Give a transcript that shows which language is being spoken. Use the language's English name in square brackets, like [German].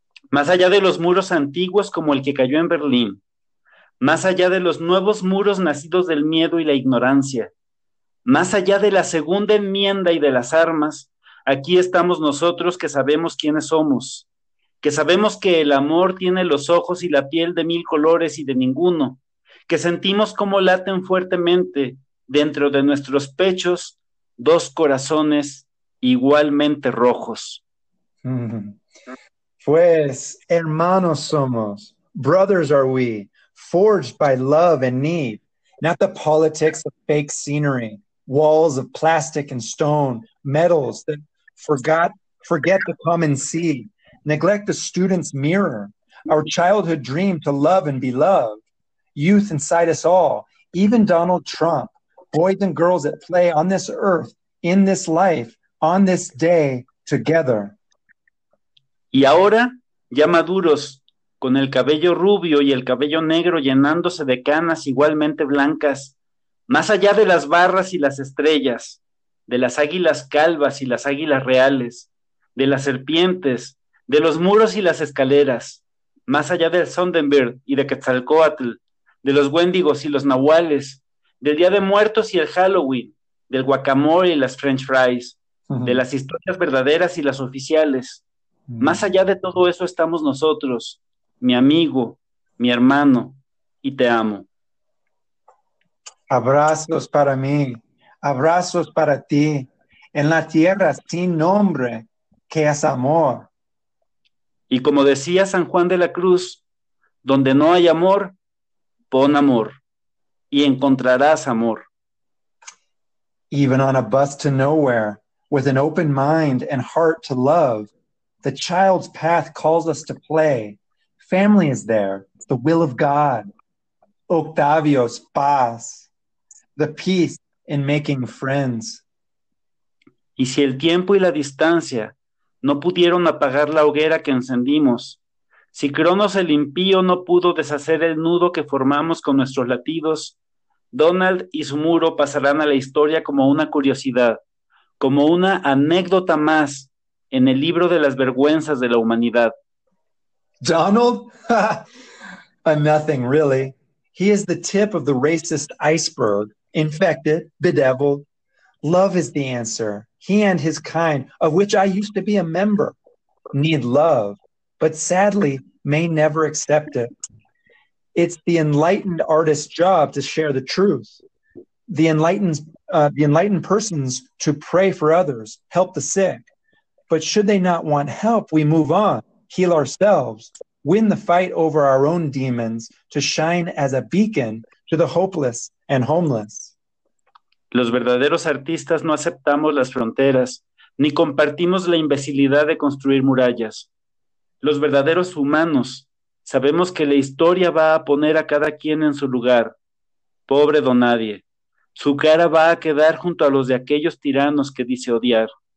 [Spanish] Más allá de los muros antiguos como el que cayó en Berlín, más allá de los nuevos muros nacidos del miedo y la ignorancia, más allá de la segunda enmienda y de las armas, aquí estamos nosotros que sabemos quiénes somos, que sabemos que el amor tiene los ojos y la piel de mil colores y de ninguno, que sentimos cómo laten fuertemente dentro de nuestros pechos dos corazones igualmente rojos. Pues hermanos somos, [English] brothers are we, forged by love and need, not the politics of fake scenery, walls of plastic and stone, metals that forget to come and see, neglect the student's mirror, our childhood dream to love and be loved, youth inside us all, even Donald Trump, boys and girls at play on this earth, in this life, on this day, together. [Spanish] Y ahora, ya maduros, con el cabello rubio y el cabello negro llenándose de canas igualmente blancas, más allá de las barras y las estrellas, de las águilas calvas y las águilas reales, de las serpientes, de los muros y las escaleras, más allá del Sonnenberg y de Quetzalcóatl, de los Wendigos y los Nahuales, del Día de Muertos y el Halloween, del guacamole y las French fries, de las historias verdaderas y las oficiales. Más allá de todo eso estamos nosotros, mi amigo, mi hermano, y te amo. Abrazos para mí, abrazos para ti, en la tierra sin nombre, que es amor. Y como decía San Juan de la Cruz, donde no hay amor, pon amor y encontrarás amor. [English] Even on a bus to nowhere. With an open mind and heart to love, the child's path calls us to play. Family is there, the will of God. Octavio's paz, the peace in making friends. [Spanish] Y si el tiempo y la distancia no pudieron apagar la hoguera que encendimos, si Cronos el impío no pudo deshacer el nudo que formamos con nuestros latidos, Donald y su muro pasarán a la historia como una curiosidad, como una anécdota más en el libro de las vergüenzas de la humanidad. [English] Donald? A nothing, really. He is the tip of the racist iceberg, infected, bedeviled. Love is the answer. He and his kind, of which I used to be a member, need love, but sadly may never accept it. It's the enlightened artist's job to share the truth. The enlightened persons to pray for others, help the sick. But should they not want help, we move on, heal ourselves. Win the fight over our own demons to shine as a beacon to the hopeless and homeless. [Spanish] Los verdaderos artistas no aceptamos las fronteras, ni compartimos la imbecilidad de construir murallas. Los verdaderos humanos sabemos que la historia va a poner a cada quien en su lugar. Pobre don Nadie, su cara va a quedar junto a los de aquellos tiranos que dice odiar.